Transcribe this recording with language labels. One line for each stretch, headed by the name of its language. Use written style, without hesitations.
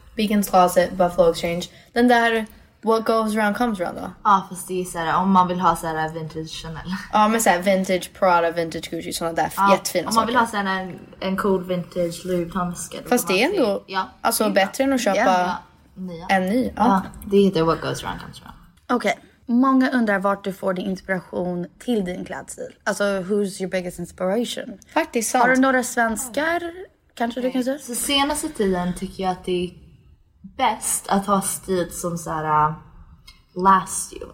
Swedish: Beacons Closet, Buffalo Exchange. Den där, what goes around comes around då? Ja, fast det är såhär, om man vill ha såhär vintage Chanel. Ja, men såhär vintage Prada, vintage Gucci, sådana där jättefina saker. Om man vill ha såhär en cool vintage Louis Vuitton-väska. Fast det är ändå, alltså bättre än att köpa en ny. Ja, det heter what goes around comes around. Okej. Många undrar vart du får din inspiration till din klädstil. Alltså,
English: who's your biggest inspiration?
Swedish: Faktiskt sant. Har du några svenskar? Kanske du kan säga? Så senaste tiden tycker jag att det är bäst att ha stil som så här last you.